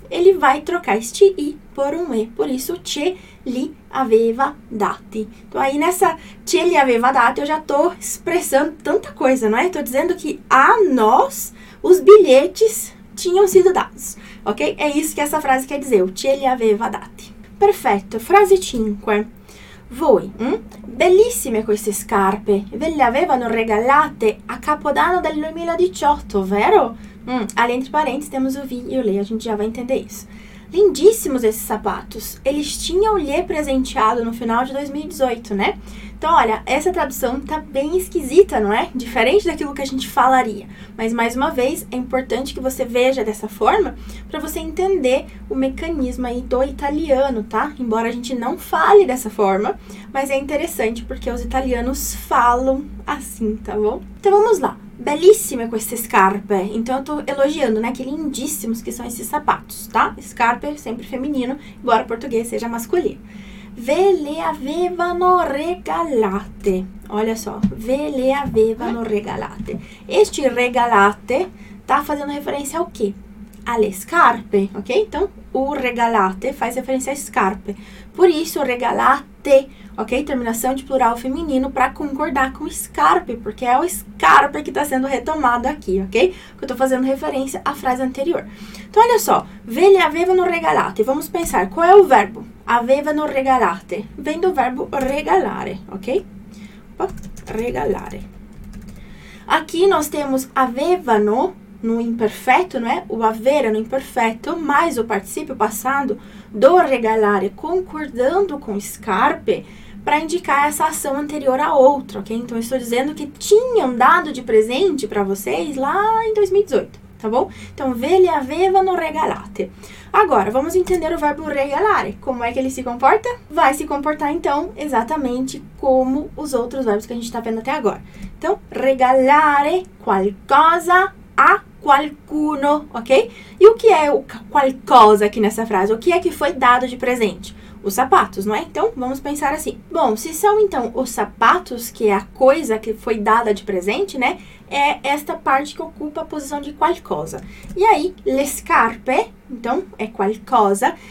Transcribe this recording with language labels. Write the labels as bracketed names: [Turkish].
[Portuguese] Ele vai trocar este i por um e. Por isso, [Italian] ce li aveva dati. [Portuguese] Então, aí nessa [Italian] ce li aveva dati, [Portuguese] eu já tô expressando tanta coisa, não é? Tô dizendo que a nós, os bilhetes tinham sido dados, ok? É isso que essa frase quer dizer, o [Italian] ce li aveva dati. [Portuguese] Perfeito. Frase 5. [Italian] Voi, bellissime queste scarpe, ve le avevano regalate a Capodanno del 2018, vero? [Portuguese] Ali entre parênteses temos o vi e o lei, a gente já vai entender isso. Lindíssimos esses sapatos, eles tinham lhe presenteado no final de 2018, né? Então, olha, essa tradução tá bem esquisita, não é? Diferente daquilo que a gente falaria. Mas, mais uma vez, é importante que você veja dessa forma para você entender o mecanismo aí do italiano, tá? Embora a gente não fale dessa forma, mas é interessante porque os italianos falam assim, tá bom? Então, vamos lá. Belíssima com esse scarpe. Então, eu tô elogiando, né? Que lindíssimos que são esses sapatos, tá? Scarpe sempre feminino, embora o português seja masculino. [Italian] Ve le avevano regalate. Olha só, ve le avevano regalate. [Portuguese] Este regalate tá fazendo referência ao quê? [Italian] Alle scarpe, [Portuguese] ok? Então, o regalate faz referência a scarpe. Por isso, regalate, ok? Terminação de plural feminino para concordar com scarpe, porque é o scarpe que está sendo retomado aqui, ok? Eu tô fazendo referência à frase anterior. Então, olha só, [Italian] ve le avevano regalate. [Portuguese] Vamos pensar, qual é o verbo? [Italian] Avevano regalate. [Portuguese] Vem do verbo regalare, ok? Opa, regalare. Aqui nós temos avevano no imperfeito, não é? O avere no imperfeito, mais o participio passado do regalare, concordando com scarpe, para indicar essa ação anterior a outra, ok? Então, eu estou dizendo que tinham dado de presente para vocês lá em 2018. Tá bom? Então, [Italian] ve le avevano regalate. [Portuguese] Agora, vamos entender o verbo regalare. Como é que ele se comporta? Vai se comportar, então, exatamente como os outros verbos que a gente está vendo até agora. Então, [Italian] regalare qualcosa a qualcuno, [Portuguese] ok? E o que é o qualcosa aqui nessa frase? O que é que foi dado de presente? Os sapatos, não é? Então, vamos pensar assim. Bom, se são, então, os sapatos, que é a coisa que foi dada de presente, né? É esta parte que ocupa a posição de qualcosa. E aí, [Italian] le scarpe, [Portuguese] então, é qualcosa.